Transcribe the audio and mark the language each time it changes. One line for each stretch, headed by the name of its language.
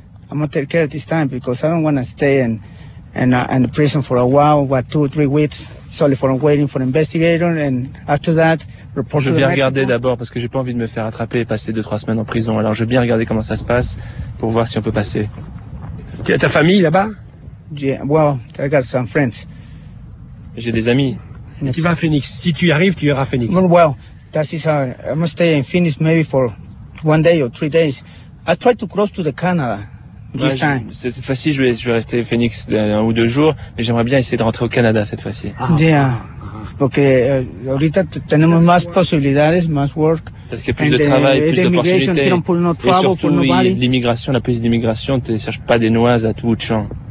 English: I'm going to take care of this time because I don't want to stay in the prison for a while, about 2 or 3 weeks, solely for waiting for an investigator, and after that, report.
French: Je vais bien regarder d'abord parce que j'ai pas envie de me faire attraper et passer 2-3 semaines en prison. Alors je vais bien regarder comment ça se passe pour voir si on peut passer. Tu as ta famille là-bas?
English: Yeah, well, I got some friends.
French: J'ai des amis. Yes. Tu vas à Phoenix. Si tu y arrives, tu iras à Phoenix.
English: Well, that is how I'm going to stay in Phoenix maybe for 1 day or 3 days. I try to cross to the Canada. This time.
French: Cette fois-ci, je vais rester à Phoenix un ou deux jours, mais j'aimerais bien essayer de rentrer au Canada cette fois-ci.
Spanish: Ah. Yeah. Porque ahorita tenemos más posibilidades, más work.
French: Parce qu'il y a plus de travail, plus d'opportunités. Et surtout, l'immigration, la police d'immigration ne cherche pas des noises à tout bout de champ.